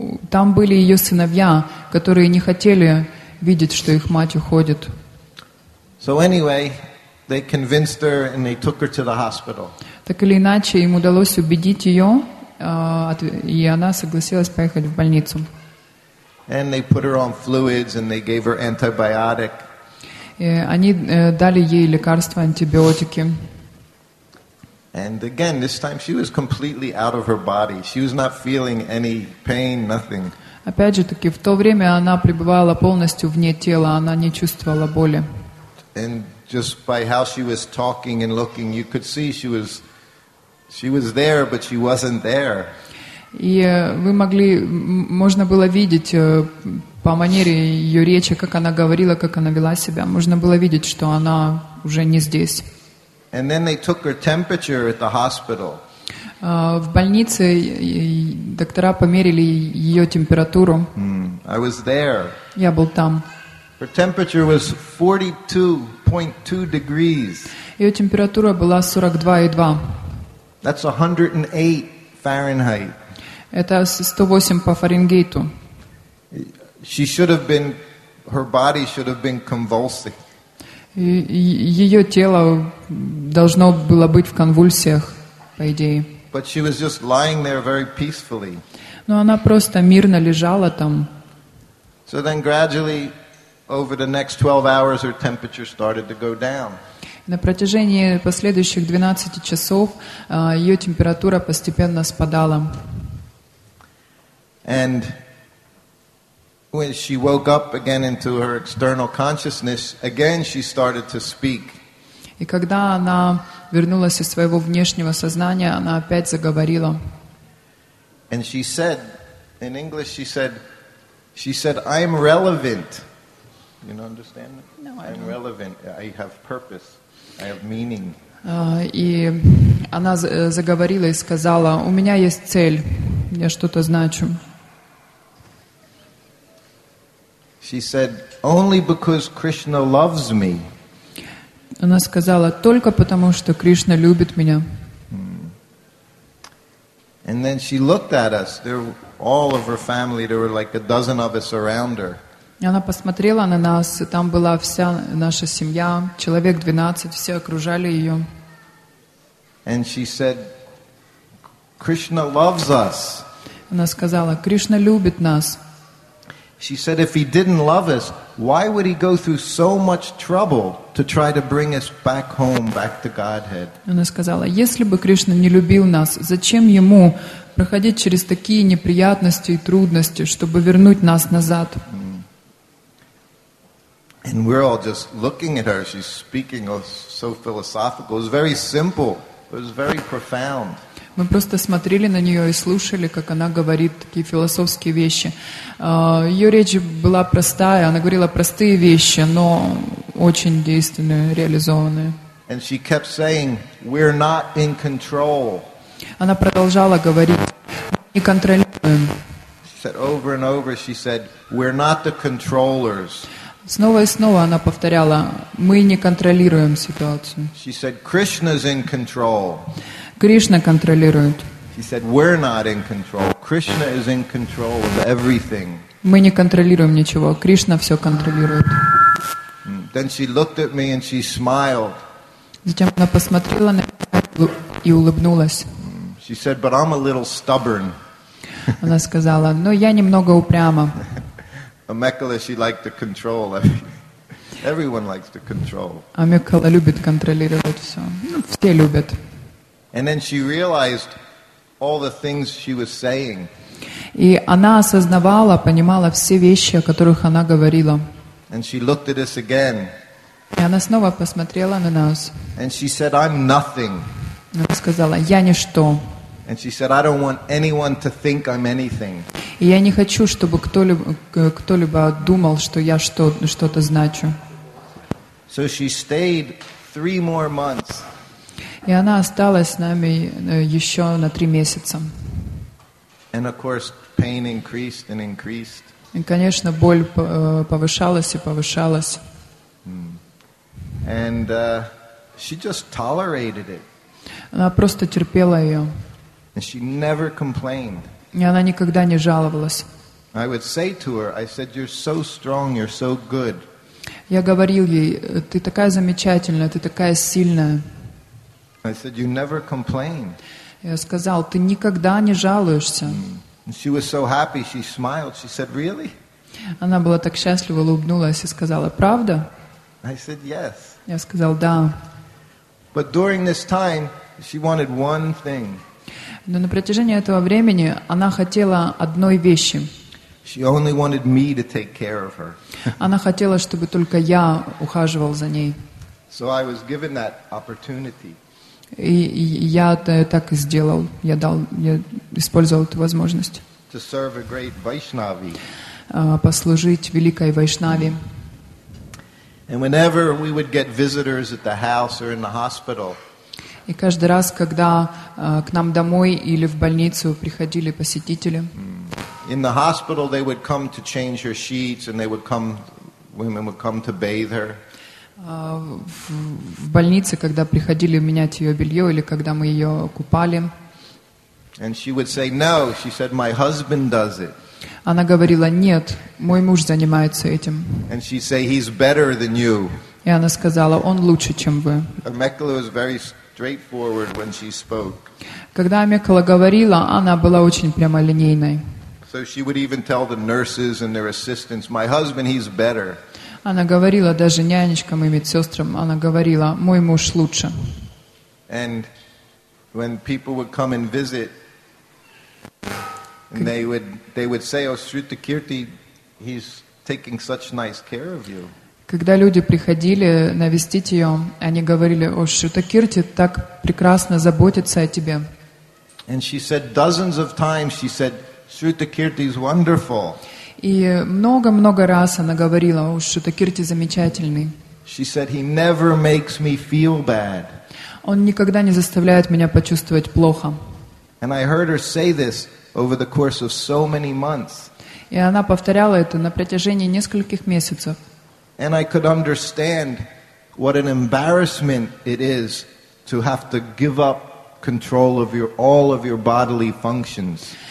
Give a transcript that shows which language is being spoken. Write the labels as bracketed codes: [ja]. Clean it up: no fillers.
[ru] Там были ее сыновья, которые не хотели видеть, что их мать уходит. [en] So anyway, they convinced her and they took her to the hospital. [ru] Так или иначе, им удалось убедить ее, и она согласилась поехать в больницу. [en] And they put her on fluids and they gave her antibiotic. [ru] Они дали ей лекарства, антибиотики. [en] And again, this time she was completely out of her body. She was not feeling any pain, nothing. [ru] Опять же таки, в то время она пребывала полностью вне тела, она не чувствовала боли. [en] And just by how she was talking and looking, you could see she was there, but she wasn't there. [ru] И вы могли, можно было видеть по манере ее речи, как она говорила, как она вела себя, можно было видеть, что она уже не здесь. [en] And then they took her temperature at the hospital. [ru] В больнице доктора померили ее температуру. [en] I was there. [ru] Я был там. [en] Her temperature was 42.2 degrees. [ru] Ее температура была 42.2. [en] That's 108 Fahrenheit. [ru] Это 108 по Фаренгейту. [en] She should have been, her body should have been convulsing. [ru] Ее тело должно было быть в конвульсиях, по идее. [en] But she was just lying there very peacefully. [ru] Но она просто мирно лежала там. [en] So then gradually, over the next 12 hours, her temperature started to go down. [ru] На протяжении последующих 12 часов ее температура постепенно спадала. [en] And when she woke up again into her external consciousness, again she started to speak. [ru] И когда она вернулась из своего внешнего сознания, она опять заговорила. [en] And she said, in English, she said, "I'm relevant." You don't understand that? No, I don't. I'm relevant. I have purpose. I have meaning. [ru] И она заговорила и сказала: "У меня есть цель. Я что-то значу." [en] She said, "Only because Krishna loves me." [ru] Она сказала: "Только потому, что Кришна любит меня." [en] And then she looked at us. There, all of her family. There were like a dozen of us around her. [ru] Она посмотрела на нас. Там была вся наша семья, человек 12, все окружали ее. [en] And she said, "Krishna loves us." [ru] Она сказала: "Кришна любит нас." [en] She said, "If he didn't love us, why would he go through so much trouble to try to bring us back home, back to Godhead?" [ru] Она сказала: "Если бы Кришна не любил нас, зачем ему проходить через такие неприятности и трудности, чтобы вернуть нас назад?" [en] And we're all just looking at her. She's speaking so philosophical. It was very simple. It was very profound. [ru] Мы просто смотрели на нее и слушали, как она говорит такие философские вещи. Ее речь была простая, она говорила простые вещи, но очень действенные, реализованные. [en] And she kept saying, "We're not in control." [ru] Она продолжала говорить: "Мы не контролируем." [en] She said over and over, she said, "We're not the controllers." [ru] Снова и снова она повторяла: "Мы не контролируем ситуацию." [en] She said, "Krishna's in control." [ru] Кришна контролирует. [en] He said, "We're not in control. Krishna is in control of everything." [ru] Мы не контролируем ничего. Кришна все контролирует. [en] Then she looked at me and she smiled. [ru] Затем она посмотрела на меня и улыбнулась. [en] She said, "But I'm a little stubborn." [ru] Она сказала, "Но я немного упряма." [en] Амекала, she liked to control. Everyone likes to control. [ru] Амекала любит контролировать все. Ну, все любят. [en] And then she realized all the things she was saying. [ru] И она осознавала, понимала все вещи, о которых она говорила. [en] And she looked at us again. [ru] И она снова посмотрела на нас. [en] And she said, "I'm nothing." [ru] Она сказала, "Я ничто." [en] And she said, "I don't want anyone to think I'm anything." [ru] И я не хочу, чтобы кто-либо думал, что я что-то значу. [en] So she stayed 3 more months. [ru] И она осталась с нами еще на 3 месяца. [en] And of course, pain increased and increased. [ru] И, конечно, боль повышалась и повышалась. [en] And she just tolerated it. [ru] Она просто терпела ее. [en] And she never complained. [ru] И она никогда не жаловалась. [en] I would say to her, I said, "You're so strong, you're so good." [ru] Я говорил ей, ты такая замечательная, ты такая сильная. [en] I said, "You never complain." [ru] Я сказал, ты никогда не жалуешься. [en] And she was so happy, she smiled. She said, "Really?" [ru] Она была так счастлива, улыбнулась и сказала, правда? [en] I said, "Yes." [ru] Я сказал, да. [en] But during this time, she wanted one thing. [ru] Но на протяжении этого времени она хотела одной вещи. [en] She only wanted me to take care of her. [ru] Она хотела, чтобы только я ухаживал за ней. [en] So I was given that opportunity. [ru] И я так и сделал. Я использовал эту возможность. [en] To serve a great Vaishnavi. [ru] Послужить великой Вайшнаве. [en] And whenever we would get visitors at the house or in the hospital. [ru] И каждый раз, когда к нам домой или в больницу приходили посетители. [en] In the hospital they would come to change her sheets and they would come, women would come to bathe her. [ru] В больнице, когда приходили менять ее белье или когда мы ее купали. [en] And she would say, "No," she said, "My husband does it." [ru] Она говорила, нет, мой муж занимается этим. [en] And she say, "He's better than you." [ru] И она сказала, он лучше, чем вы. [en] Амекала was very straightforward when she spoke. [ru] Когда Амекала говорила, она была очень прямолинейной. [en] So she would even tell the nurses and their assistants, "My husband, he's better." [ru] Она говорила даже нянечкам и медсестрам, она говорила, мой муж лучше. [en] And when people would come and visit, and they would say, "Oh, Shruti Kirti, he's taking such nice care of you." [ru] Когда люди приходили навестить ее, они говорили, "О, Шрута Кирти так прекрасно заботится о тебе." [en] And she said dozens of times, she said, "Shruti Kirti is wonderful." [ru] И много-много раз она говорила, "О, Шрута Кирти замечательный." [en] She said, "He never makes me feel bad." [ru] Он никогда не заставляет меня почувствовать плохо. [en] And I heard her say this over the course of so many months. [ru] И она повторяла это на протяжении нескольких месяцев. [en] And I could understand what an embarrassment it is to have to give up control of all of your bodily functions.